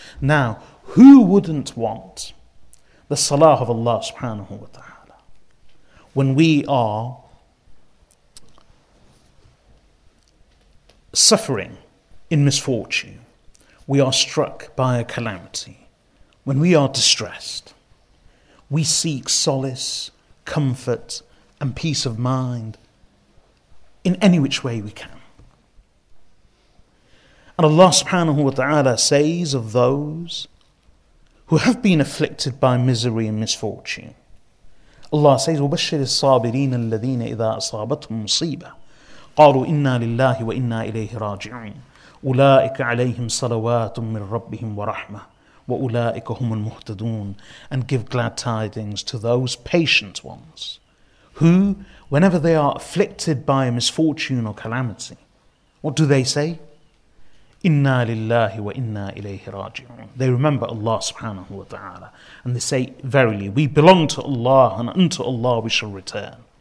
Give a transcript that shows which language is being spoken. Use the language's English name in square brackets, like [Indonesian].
[English] Now, who wouldn't want the salah of Allah subhanahu wa ta'ala when we are suffering in misfortune, we are struck by a calamity, when we are distressed, we seek solace, comfort, and peace of mind in any which way we can. And Allah subhanahu wa ta'ala says of those who have been afflicted by misery and misfortune, Allah says, [Arabic] وَبَشِّرِ الصَّابِرِينَ الَّذِينَ إِذَا أَصَابَتْهُمْ مُصِيبَةٌ قَالُوا إِنَّا لِلَّهِ وَإِنَّا إِلَيْهِ رَاجِعُونَ أُولَٰئِكَ عَلَيْهِمْ صَلَوَاتٌ مِّن رَّبِّهِمْ وَرَحْمَةٌ وَأُولَٰئِكَ هُمُ الْمُهْتَدُونَ. [English] And give glad tidings to those patient ones who, whenever they are afflicted by a misfortune or calamity, what do they say? [Arabic] إِنَّا لِلَّهِ وَإِنَّا إِلَيْهِ رَاجِعُونَ. [English] They remember Allah subhanahu wa ta'ala and they say, verily, we belong to Allah and unto Allah we shall return.